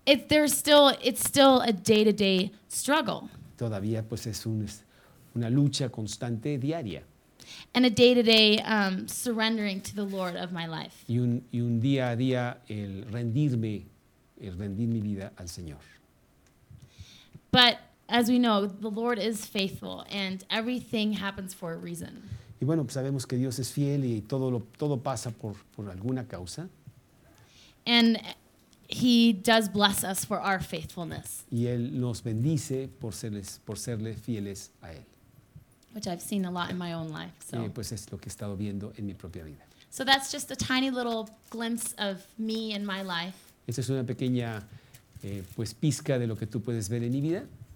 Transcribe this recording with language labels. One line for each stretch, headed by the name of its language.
English: It's still a day-to-day struggle.
Spanish: Todavía pues es una lucha constante diaria.
English: And a day-to-day surrendering to the Lord of my life.
Spanish: Y un día a día el rendir mi vida al Señor.
English: But as we know, the Lord is faithful and everything happens for a reason.
Spanish: Y bueno, pues sabemos que Dios es fiel y todo pasa por alguna causa.
English: And he does bless us for our faithfulness.
Spanish: Y él nos bendice por serle fieles a él.
English: Which I've seen a lot in my own life. So.
Spanish: Pues es lo que he estado viendo en mi propia vida.
English: So that's just a tiny little glimpse of me and my life.
Spanish: Esa es una pequeña pues pizca de lo que tú puedes ver en mi vida.